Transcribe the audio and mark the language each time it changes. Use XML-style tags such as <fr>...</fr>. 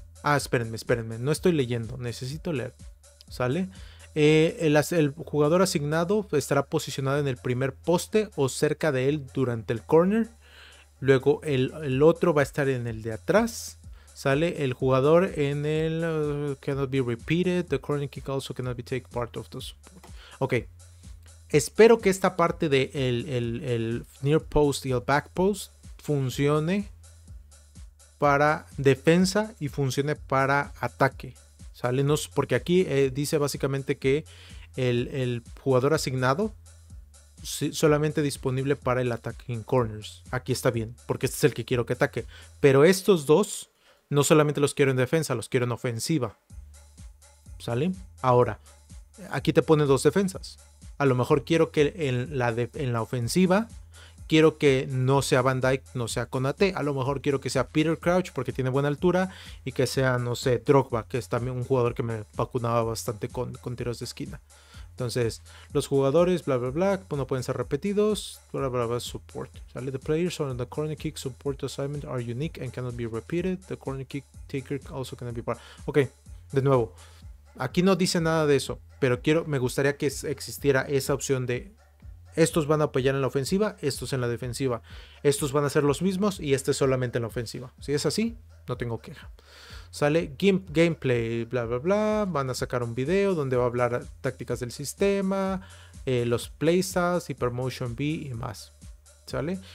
<es>Ah, espérenme. No estoy leyendo. Necesito leer. ¿Sale? El jugador asignado estará posicionado en el primer poste o cerca de él durante el corner. Luego el otro va a estar en el de atrás. Sale el jugador en el.</es> <en>Cannot be repeated. The corner kick also cannot be taken part of the support. Ok.</en> <es>Espero que esta parte de el near post y el back post funcione para defensa y funcione para ataque. Sale, no, porque aquí dice básicamente que el jugador asignado solamente disponible para el ataque en corners. Aquí está bien, porque este es el que quiero que ataque. Pero estos dos. No solamente los quiero en defensa, los quiero en ofensiva. ¿Sale? Ahora, aquí te pone dos defensas. A lo mejor quiero que en la ofensiva quiero que no sea Van Dijk, no sea Konaté. A lo mejor quiero que sea Peter Crouch porque tiene buena altura. Y que sea, no sé, Drogba, que es también un jugador que me vacunaba bastante con tiros de esquina. Entonces, los jugadores, bla, bla, bla, no pueden ser repetidos. Bla, bla, bla, support.</es> <en>Sale, the players on the corner kick support assignment are unique and cannot be repeated. The corner kick taker also cannot be part.</en> <es>Ok, de nuevo. Aquí no dice nada de eso, pero quiero, me gustaría que existiera esa opción de estos van a apoyar en la ofensiva, estos en la defensiva. Estos van a ser los mismos y este solamente en la ofensiva. Si es así, no tengo queja. Sale gameplay, bla, bla, bla. Van a sacar un video donde va a hablar tácticas del sistema, los playstats y promotion B y más. ¿Sale?</es>